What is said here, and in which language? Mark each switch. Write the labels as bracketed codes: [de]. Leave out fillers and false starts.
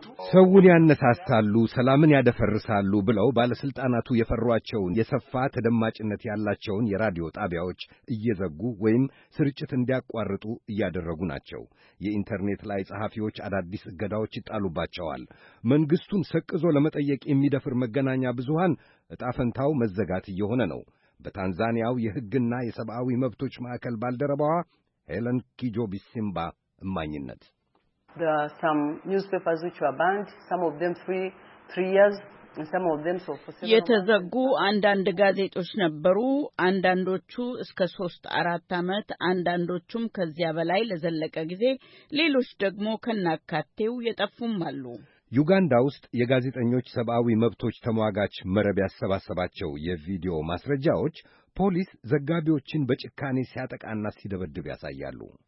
[am] ሰውን ያነሳሳሉ፣ ሰላምን ያደፈርሳሉ ብለው ባለሥልጣናቱ የፈሯቸውን የሰፋ ተደማጭነት ያላቸውን የራዲዮ ጣቢያዎች እየዘጉ ወይም ስርጭት እንዲያቋርጡ እያደረጉ ናቸው። የኢንተርኔት ላይ ጸሐፊዎች አዳዲስ እገዳዎች ይጣሉባቸዋል። መንግሥቱን ሰቅዞ ለመጠየቅ የሚደፍር መገናኛ ብዙሃን ዕጣ ፈንታው መዘጋት እየሆነ ነው። በታንዛኒያው የሕግና የሰብአዊ መብቶች ማዕከል ባልደረባዋ ሄለን ኪጆቢሲምባ እማኝነት [en] there are some newspapers which were banned, some of them three years and some of them so for several [am] የተዘጉ አንዳንድ ጋዜጦች ነበሩ። አንዳንዶቹ እስከ 3 4 አመት፣ አንዳንዶቹም ከዚያ በላይ ለዘለቀ ጊዜ፣ ሌሎች ደግሞ ከናካቴው የጠፉም አሉ። ዩጋንዳ ውስጥ የጋዜጠኞች ሰብአዊ መብቶች ተሟጋች መረብ ያሰባሰባቸው የቪዲዮ ማስረጃዎች ፖሊስ ዘጋቢዎችን በጭካኔ ሲያጠቃና ሲደበድብ ያሳያሉ።